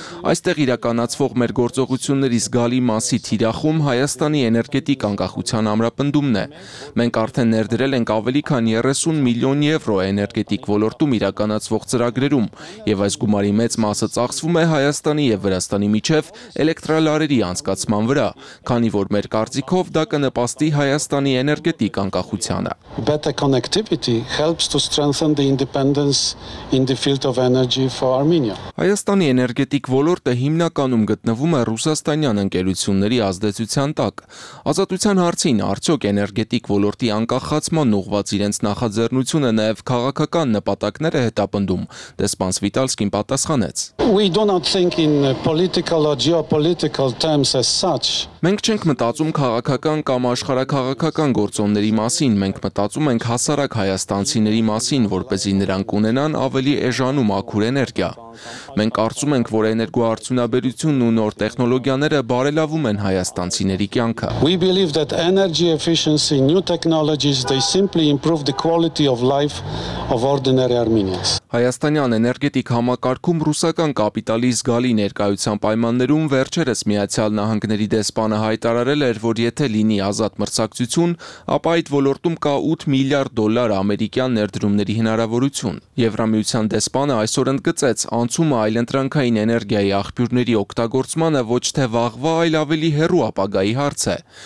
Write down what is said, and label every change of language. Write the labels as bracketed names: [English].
[Armenian] Այստեղ իրականացվող մեր գործողությունների զգալի մասի թիրախում Հայաստանի էներգետիկ անկախության ամրապնդումն է։ Մենք արդեն ներդրել ենք ավելի քան 30 միլիոն եվրո էներգետիկ ոլորտում իրականացվող ծրագրերում, եւ այս գումարի մեծ մասը ծախսվում է Հայաստանի եւ Վրաստանի միջև էլեկտրալարերի անցկացման վրա, քանի որ մեր կարծիքով դա կնպաստի Հայաստանի էներգետիկ անկախությանը։ [English] Better connectivity helps to strengthen the independence in the field of energy for Armenia. [Armenian] Հայաստանի էներգետիկ ոլորտը հիմնականում գտնվում է ռուսաստանյան ընկերությունների ազդեցության տակ։ Ազատության հարցին արդյոք էներգետիկ ոլորտի անկախացման ուղղված իրենց նախաձեռնությունը նաև քաղաքական նպատակները հետապնդում, դեսպան Սվիտալսկին պատասխանեց։ [English] We do not think in political or geopolitical terms as such. [Armenian] Մենք չենք մտածում քաղաքական կամ աշխարհակաղաքական գործոնների մասին, մենք մտածում ենք հասարակ հայաստանցիների մասին, որպեսզի նրանք ունենան ավելի էժան ու մաքուր էներգիա։ Մենք կարծում ենք, որ էներգոարդյունաբերությունն ու նոր տեխնոլոգիաները բարելավում են հայաստանցիների կյանքը։ [English] We believe that energy efficiency, new technologies, they simply improve the quality of life of ordinary Armenians. [Armenian] Հայաստանյան էներգետիկ համակարգում ռուսական կապիտալի զգալի ներկայության պայմաններում վերջերս Միացյալ Նահանգների դեսպանը հայտարարել էր, որ եթե լինի ազատ մրցակցություն, ապա այդ ոլորտում կա 8 միլիարդ դոլար ամերիկյան ներդրումների հնարավորություն։ Եվրամիության դեսպանը այսօր ընդգծեց անցումը այլընտրանքային էներգիայի աղբյուրների օգտագործմանը ոչ թե վաղվա, այլ ավելի հեռու ապագայի հարց է,